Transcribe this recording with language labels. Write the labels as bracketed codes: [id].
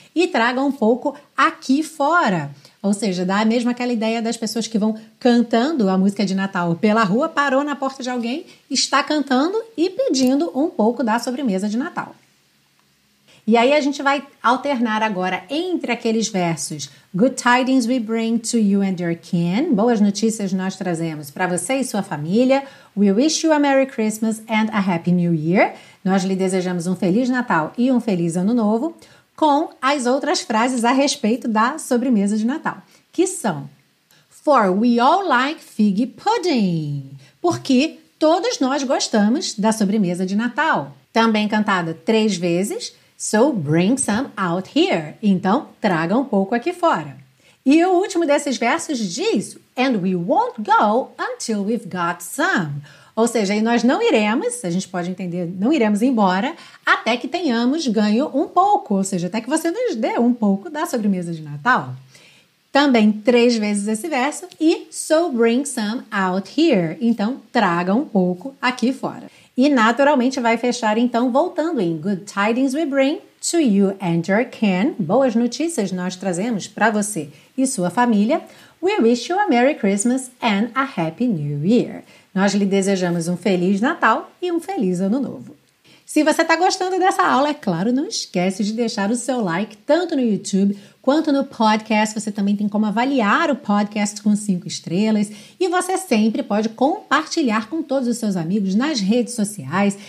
[pt] E traga um pouco aqui fora. Ou seja, dá mesmo aquela ideia das pessoas que vão cantando a música de Natal pela rua, parou na porta de alguém, está cantando e pedindo um pouco da sobremesa de Natal. E aí a gente vai alternar agora entre aqueles versos [en] Good tidings we bring to you and your kin. [pt] Boas notícias nós trazemos para você e sua família. [en] We wish you a Merry Christmas and a Happy New Year. [pt] Nós lhe desejamos um Feliz Natal e um Feliz Ano Novo. Com as outras frases a respeito da sobremesa de Natal, que são [en] For we all like fig pudding. [pt] Porque todos nós gostamos da sobremesa de Natal. Também cantada três vezes. [en] So bring some out here. [pt] Então, traga um pouco aqui fora. E o último desses versos diz [en] And we won't go until we've got some. [pt] Ou seja, nós não iremos, a gente pode entender, não iremos embora até que tenhamos ganho um pouco. Ou seja, até que você nos dê um pouco da sobremesa de Natal. Também três vezes esse verso. E [en] so bring some out here. [pt] Então, traga um pouco aqui fora. E naturalmente vai fechar então voltando em [en] Good tidings we bring to you and your kin. [pt] Boas notícias nós trazemos para você e sua família. [en] We wish you a Merry Christmas and a Happy New Year. [pt] Nós lhe desejamos um Feliz Natal e um Feliz Ano Novo. Se você está gostando dessa aula, é claro, não esquece de deixar o seu like tanto no YouTube quanto no podcast. Você também tem como avaliar o podcast com 5 estrelas. E você sempre pode compartilhar com todos os seus amigos nas redes sociais.